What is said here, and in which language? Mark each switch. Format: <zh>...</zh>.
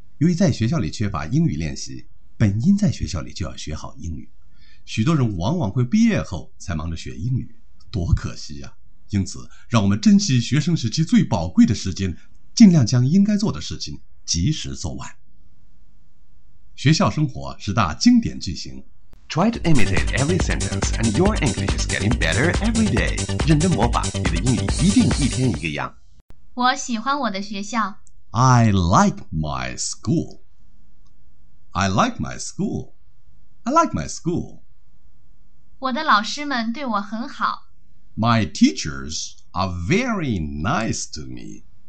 <zh>由于在学校里缺乏英语练习，本应在学校里就要学好英语，许多人往往会毕业后才忙着学英语，多可惜啊。因此让我们珍惜学生时期最宝贵的时间，尽量将应该做的事情及时做完。学校生活十大经典句型。</zh> <en>Try to imitate every sentence and your English is getting better every day.</en> <zh>认真模仿，你的英语一定一天一个样。我喜欢我的学校。</zh> <en>I like my school. I like my school. I like my school.</en> <zh>我的老师们对我很好。</zh> <en>My teachers are very nice to me.</en>